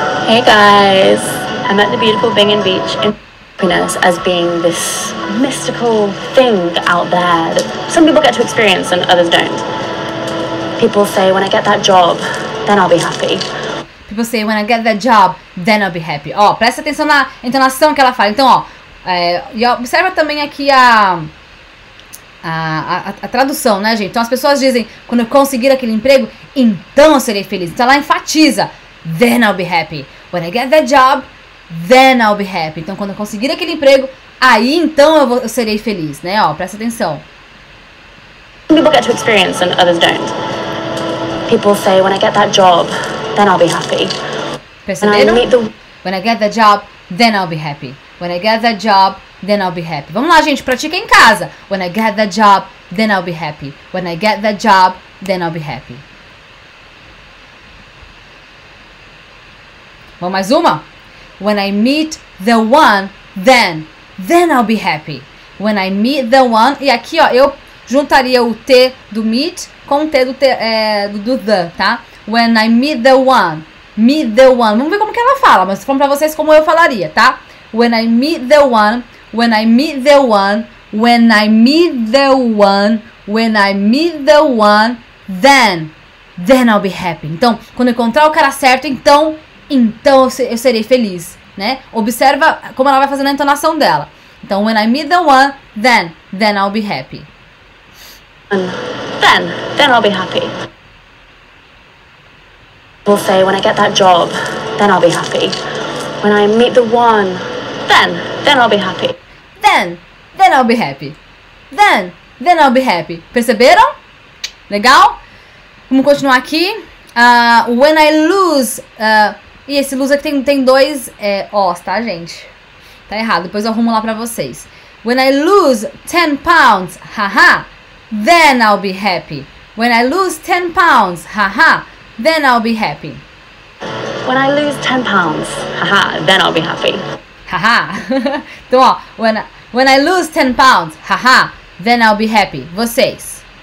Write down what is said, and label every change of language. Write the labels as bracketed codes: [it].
[en] Hey guys, I'm at the beautiful Bingham Beach. happiness as being this mystical thing out there that some people get to experience and others don't. People say, when I get that job, then I'll be happy. People say, when I get that job, then I'll be happy. [pt] Ó, presta atenção na entonação que ela fala. Então, ó, e observa também aqui a tradução, né, gente? Então, as pessoas dizem, quando eu conseguir aquele emprego, então eu serei feliz. Então, ela enfatiza, [en] then I'll be happy. When I get that job, then I'll be happy. [pt] Então, quando eu conseguir aquele emprego, aí, então, eu serei feliz, né? Ó, presta atenção. [en] People get to experience and others don't. People say, when I get that job, then I'll be happy. [pt] Perceberam? [en] When I get that job, then I'll be happy. When I get that job, then I'll be happy. [pt] Vamos lá, gente, pratica em casa. [en] When I get that job, then I'll be happy. When I get that job, then I'll be happy. [pt] Vamos mais uma? [en] When I meet the one, then I'll be happy. When I meet the one, [pt] e aqui, ó, eu juntaria o T do meet com o T do, do the, tá? [en] When I meet the one, [pt] vamos ver como que ela fala, mas falando pra vocês como eu falaria, tá? [en] When I meet the one, when I meet the one, when I meet the one, when I meet the one, then I'll be happy. [pt] Então, quando encontrar o cara certo, então eu serei feliz, né? Observa como ela vai fazendo a entonação dela. [en] Então, when I meet the one, then I'll be happy. Then I'll be happy. People say, when I get that job, then I'll be happy. When I meet the one, then I'll be happy. Then I'll be happy. Then I'll be happy. [pt] Perceberam? Legal? Vamos continuar aqui. [en] When I lose... [pt] E esse lose aqui tem dois O's, tá, gente? Tá errado, depois eu arrumo lá pra vocês. [en] When I lose 10 pounds, haha, then I'll be happy. When I lose 10 pounds, haha, then I'll be happy. When I lose 10 pounds, haha, then I'll be happy. Haha. Então, ó, when I lose 10 pounds, haha, then I'll be happy. Vocês.